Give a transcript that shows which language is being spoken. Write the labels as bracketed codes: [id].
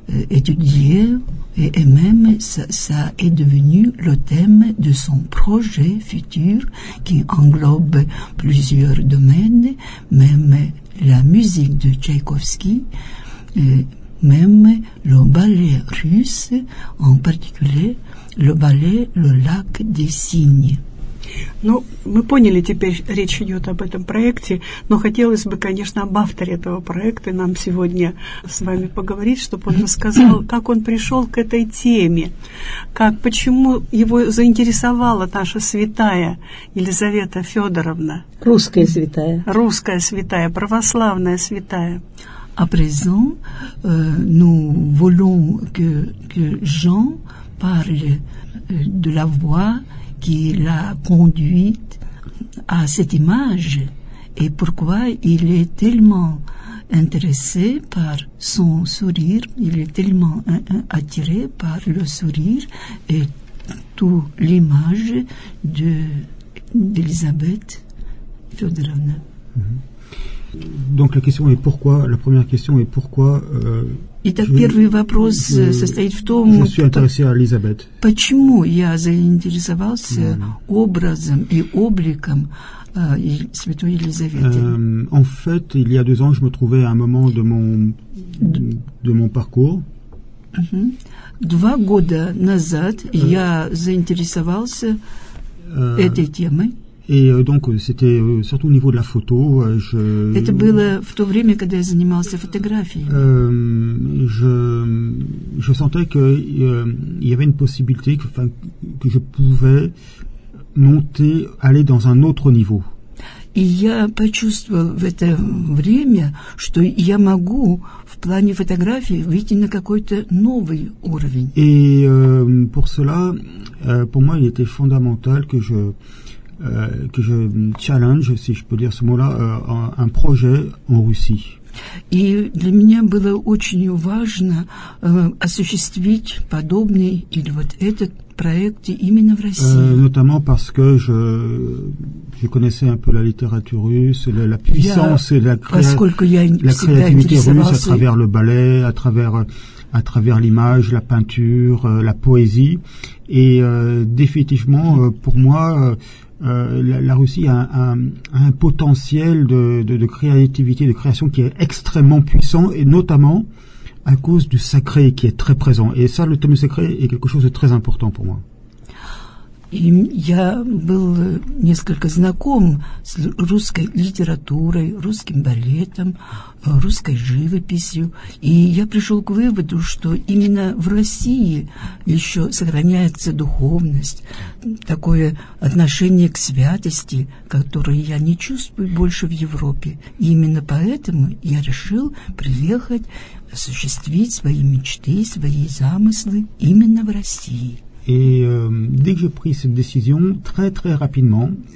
[fr] étudier, et même ça est devenu le thème de son projet futur qui englobe plusieurs domaines, même la musique de Tchaïkovski, même le ballet russe, en particulier le ballet Le lac des cygnes. [ru] Ну, мы поняли, теперь речь идет об этом проекте, но хотелось бы, конечно, об авторе этого проекта нам сегодня с вами поговорить, чтобы он рассказал, как он пришел к этой теме, как, почему его заинтересовала наша святая Елизавета Федоровна. Русская святая. Русская святая, православная святая. [fr] À présent, nous voulons que Jean parle de la voix qui l'a conduite à cette image et pourquoi il est tellement intéressé par son sourire, il est tellement attiré par le sourire et toute l'image d'Elisabeth Fyodorovna. Donc la question est pourquoi, la première question est pourquoi... [ru] Итак, первый вопрос состоит в том, почему я заинтересовался образом и обликом святой Елизаветы. [fr] En fait, il y a deux ans, je me trouvais à un moment de mon parcours. [ru] Два года назад я заинтересовался этой темой. [fr] Et donc, c'était surtout au niveau de la photo. [ru] Это было в то время, когда я занимался фотографией. [fr] Je sentais qu'il y avait une possibilité que je pouvais monter, aller dans un autre niveau. [ru] И я почувствовал в это время, что я могу в плане фотографии выйти на какой-то новый уровень. [fr] Et pour cela, pour moi, il était fondamental que je... que je challenge, si je peux dire ce mot-là, un projet en Russie. [ru] И для меня было очень важно осуществить подобный или вот этот проект именно в России. [fr] Notamment parce que je connaissais un peu la littérature russe, la puissance et la créativité russe à travers le ballet, à travers l'image, la peinture, la poésie. Et définitivement, pour moi... La Russie a un potentiel de créativité, de création qui est extrêmement puissant, et notamment à cause du sacré qui est très présent. Et ça, le thème sacré est quelque chose de très important pour moi. [ru] И я был несколько знаком с русской литературой, русским балетом, русской живописью. И я пришел к выводу, что именно в России еще сохраняется духовность, такое отношение к святости, которое я не чувствую больше в Европе. И именно поэтому я решил приехать, осуществить свои мечты, свои замыслы именно в России. [fr] Et dès que j'ai pris cette décision, très très rapidement,